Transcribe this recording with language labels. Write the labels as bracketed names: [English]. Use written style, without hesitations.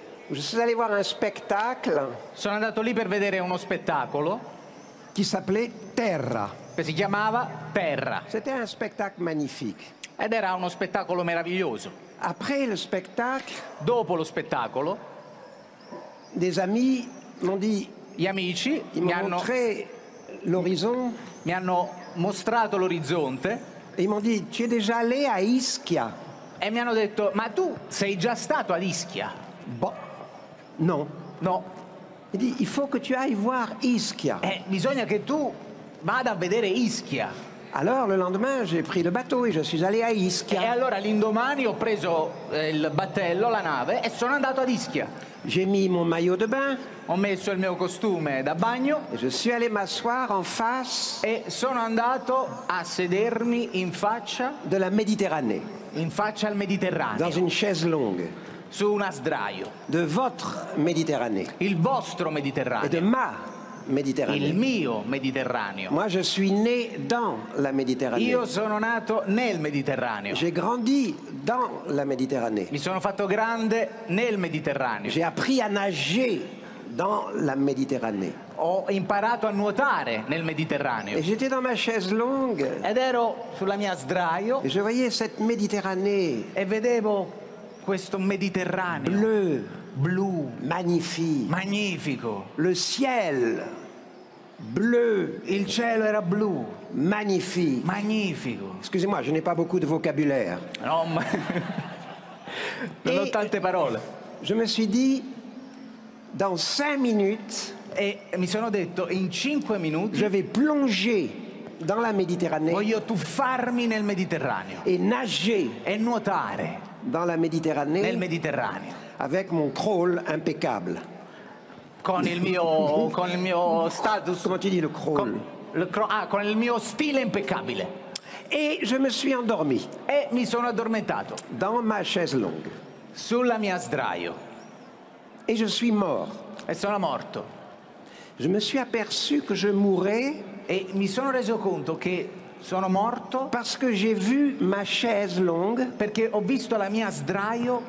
[French] Je suis allé voir un spectacle. [Italian] Sono andato lì per vedere uno spettacolo. [French] Qui s'appelait Terra. [Italian] Che si chiamava Terra. [French] C'était un spectacle magnifique. [Italian] Ed era uno spettacolo meraviglioso. [French] Après le spectacle, [Italian] dopo lo spettacolo, [French] des amis m'ont dit, [Italian] gli amici mi hanno mostrato l'orizzonte. [French] Ils m'ont dit, tu es déjà allé à Ischia? [Italian] E mi hanno detto, ma tu sei già stato ad Ischia? [French] Boh, non. [Italian] No. [French] Il dit, il faut que tu ailles voir Ischia. [Italian] Bisogna che tu vada a vedere Ischia. [French] Alors le lendemain, j'ai pris le bateau et je suis allé à Ischia. [Italian] E allora l'indomani ho preso il battello, la nave, e sono andato ad Ischia. [French] J'ai mis mon maillot de bain. [Italian] Ho messo il mio costume da bagno. [French] Et je suis allé m'asseoir en face. [Italian] E sono andato a sedermi in faccia. [French] De la Méditerranée. [Italian] In faccia al Mediterraneo. [French] Dans une chaise longue. [Italian] Su una sdraio. [French] De votre Méditerranée. [Italian] Il vostro Mediterraneo. [French] Et de ma Méditerranée. [Italian] Il mio Mediterraneo. [French] Moi je suis né dans la Méditerranée. [Italian] Io sono nato nel Mediterraneo. [French] J'ai grandi dans la Méditerranée. [Italian] Mi sono fatto grande nel Mediterraneo. [French] J'ai appris à nager dans la Méditerranée. [Italian] Ho imparato a nuotare nel Mediterraneo. [French] Et j'étais dans ma chaise longue. [Italian] Ed ero sulla mia sdraio. [French] Et je voyais cette Méditerranée. [Italian] E vedevo questo Mediterraneo. [French] Bleu. [Italian] Blu, [French] magnifico. Le ciel bleu, [Italian] il cielo era blu. Magnifico. [French] Excusez-moi, je n'ai pas beaucoup de vocabulaire. [Italian] No, ma... non ho tante parole. [French] Je me suis dit dans 5 minutes [Italian] e mi sono detto in 5 minuti [French] je vais plonger dans la Méditerranée. [Italian] Voglio tuffarmi nel Mediterraneo. [French] Et nager [Italian] e nuotare [French] dans la Méditerranée. [Italian] Nel Mediterraneo. [French] Avec mon crawl impeccabile. [Italian] Con il mio status. Come ti dici, le crawl? Con il mio stile impeccabile. [French] Et je me suis endormi. [Italian] E mi sono addormentato. [French] Dans ma chaise longue. [Italian] Sulla mia sdraio. [French] Et je suis mort. [Italian] E sono morto. [French] Je me suis aperçu que je mourais. [Italian] E mi sono reso conto che sono morto. [French] Parce que j'ai vu ma chaise longue. [Italian] Perché ho visto la mia sdraio.